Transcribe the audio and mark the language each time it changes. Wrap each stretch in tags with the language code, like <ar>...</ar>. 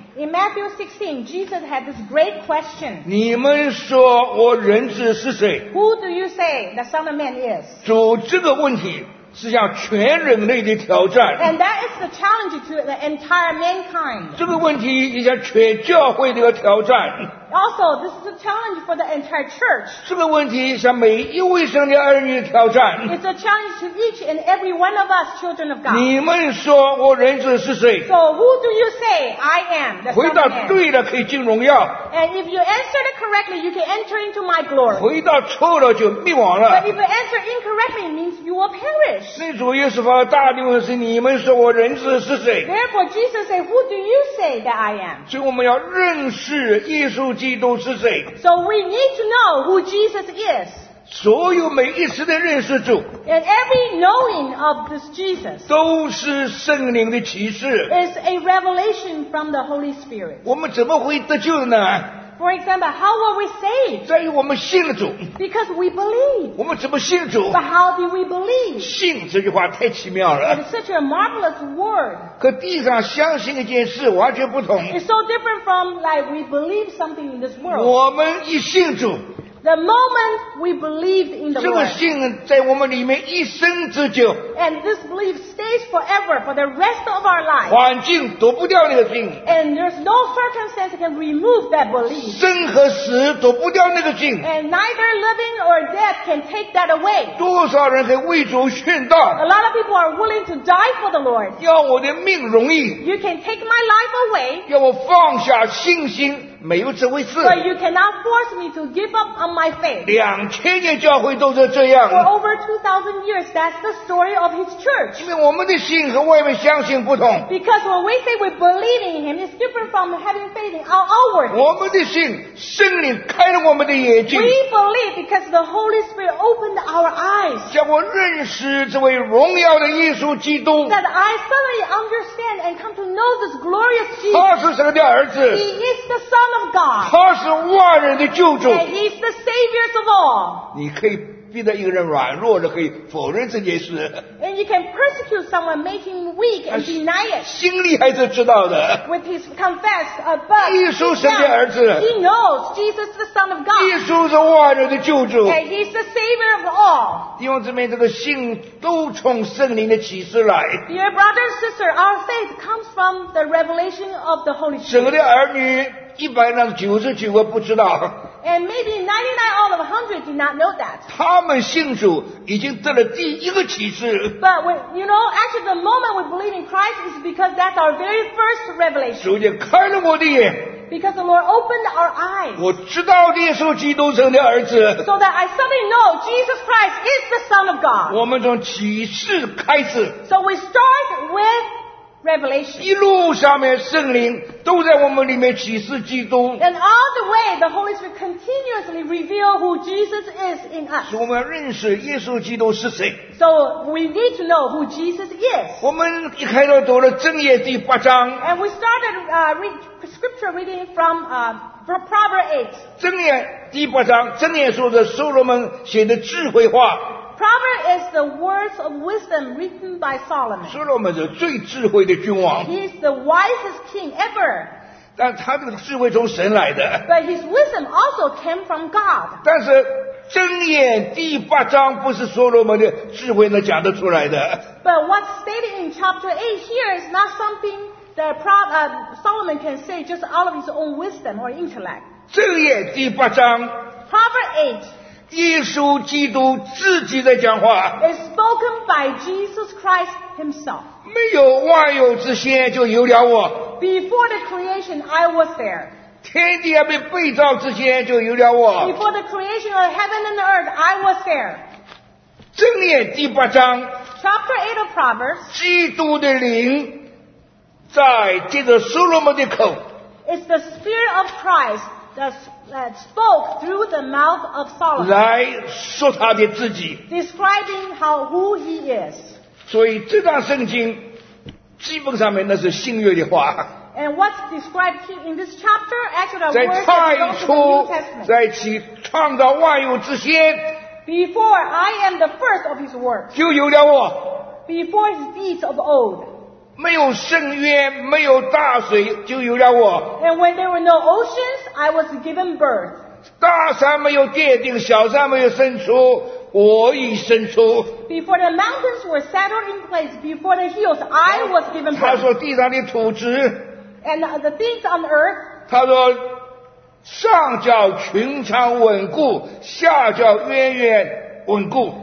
<en>In Matthew 16, Jesus had this great question.</en> <zh>你们说我人子是谁？</zh> <en>Who do you say the Son of Man is?</en> <zh>主这个问题是向全人类的挑战。</zh> <en>And that is the challenge to the entire mankind.</en> <zh>这个问题也叫全教会的挑战。</zh> <en>Also, this is a challenge for the entire church.</en> <zh>这个问题向每一位神的儿女挑战。</zh> <en>It's a challenge to each and every one of us, children of God.</en> <zh>你们说我人子是谁？</zh> <en>So, who do you say I am?</en> <zh>回答对了可以进荣耀。</zh> <en>And if you answer it correctly, you can enter into my glory.</en> <zh>回答错了就灭亡了。</zh> <en>But if you answer incorrectly, it means you will perish.</en> <zh>那主耶稣发大力问是你们说我人子是谁？</zh> <en>Therefore, Jesus said, who do you say that I am?</en> <zh>所以我们要认识耶稣基督是谁。</zh> <en>So we need to know who Jesus is.</en> <zh>所有每一次的认识主。</zh> <en>And every knowing of this Jesus.</en> <zh>都是圣灵的启示。</zh> <en>Is a revelation from the Holy Spirit.</en> <zh>我们怎么会得救呢？</zh> <en>For example, how were we saved?</en> <zh>在于我们信了主。</zh> <en>Because we believe.</en> <zh>我们怎么信主？</zh> <en>But how do we believe?</en> <zh>信这句话太奇妙了。</zh> <en>It's such a marvelous word.</en> <zh>和地上相信一件事完全不同。</zh> <en>It's so different from like we believe something in this world.</en> <zh>我们一信主。</zh> <en>The moment we believe in the Lord.</en> <zh>这个信在我们里面一生之久。</zh> <en>And this belief stays forever for the rest of our life.</en> <zh>环境躲不掉那个信。</zh> <en>And there's no circumstance can remove that belief.</en> <zh>生和死躲不掉那个信。</zh> <en>And neither living or death can take that away.</en> <zh>多少人在为主殉道。</zh> <en>A lot of people are willing to die for the Lord.</en> <zh>要我的命容易。</zh> <en>You can take my life away.</en> <zh>要我放下信心。没有这回事。</zh> <en>But you cannot force me to give up on my faith.</en> <zh>两千年教会都是这样。</zh> <en>For over 2,000 years, that's the story of his church.</en> <zh>因为我们的信和外面相信不同。</zh> <en>Because when we say we believe in him, it's different from having faith in our outward.</en> <zh>我们的信，圣灵开了我们的眼睛。</zh> <en>We believe because the Holy Spirit opened our eyes.</en> <zh>叫我认识这位荣耀的耶稣基督。</zh> <en>That I suddenly understand and come to know this glorious Jesus.</en> <zh>他是神的儿子。</zh> <en>He is the Son.</en> <zh>他是万人的救主。</zh> <en>And he's the savior of all.</en> <zh>你可以逼着一个人软弱的，可以否认这件事。</zh> <en>And you can persecute someone, make him weak and deny it.</en> <zh>心里还是知道的。</zh> <en>With his confess above.</en> <zh>耶稣神的儿子。</zh> <en>He knows Jesus the Son of God.</en> <zh>耶稣是万人的救主。</zh> <en>And he's the savior of all.</en> <zh>弟兄姊妹，这个信都从圣灵的启示来。</zh> <en>Dear brother and sister, our faith comes from the revelation of the Holy Spirit.</en> <zh>神的儿女。一百人九十九个不知道。</zh> <en>And maybe 99 out of 100 did not know that.</en> <zh>他们信主已经得了第一个启示。</zh> <en>But when, you know, actually the moment we believe in Christ is because that's our very first revelation.</en> <zh>主就开了我的眼。</zh> <en>Because the Lord opened our eyes.</en> <zh>我知道耶稣基督神的儿子。</zh> <en>So that I suddenly know Jesus Christ is the Son of God.</en> <zh>我们从启示开始。</zh> <en>So we start with Revelation.</en> <zh>一路上面圣灵都在我们里面启示基督。</zh> <en>And all the way, the Holy Spirit continuously reveal who Jesus is in us.</en> <zh>所以我们认识耶稣基督是谁。</zh> <en>So we need to know who Jesus is.</en> <zh>我们一开始读了箴言第八章。</zh> <en>And we started read scripture reading from Proverbs 8.</en> <zh>箴言第八章，箴言说的所罗门写的智慧话。</zh> <en>Proverbs is the words of wisdom written by Solomon.</en> <zh>所罗门是最智慧的君王。</zh> <en>He is the wisest king ever.</en> <zh>但他这个智慧从神来的。</zh> <en>But his wisdom also came from God.</en> <zh>但是箴言第八章不是所罗门的智慧能讲得出来的。</zh> <en>But what's stated in chapter 8 here is not something that Solomon can say just out of his own wisdom or intellect.</en> <zh>箴言第八章。</zh> <en>Proverbs 8.</en> <zh>耶稣基督自己在讲话。</zh> <en>It's spoken by Jesus Christ himself.</en> <zh>没有万有之先就有了我。</zh> <en>Before the creation, I was there.</en> <zh>天地还没被造之先就有了我。</zh> <en>Before the creation of heaven and earth, I was there.</en> <zh>箴言第八章。</zh> <en>Chapter 8 of Proverbs.</en> <zh>基督的灵在借着所罗门的口。</zh> <en>It's the spirit of Christ that spoke through the mouth of Solomon.</en> <zh>来说他的自己。</zh> <en>Describing how who he is.</en> <zh>所以这段圣经基本上面那是新约的话。</zh> <en>And what's described in this chapter actually are words from the New Testament.</en> <zh>在起创造万有之先。</zh> <en>Before I am the first of his works.</en> <zh>就有了我。</zh> <en>Before his deeds of old.</en> <zh>没有深渊，没有大水，就有了我。</zh> <en>And when there were no oceans, I was given birth.</en> <zh>大山没有奠定，小山没有生出，我已伸出。</zh> <en>Before the mountains were settled in place, before the hills, I was given birth.</en> <zh>他说地上的土质。</zh> <en>And the things on earth.</en> <zh>他说上叫群苍稳固，下叫渊源稳固。</zh>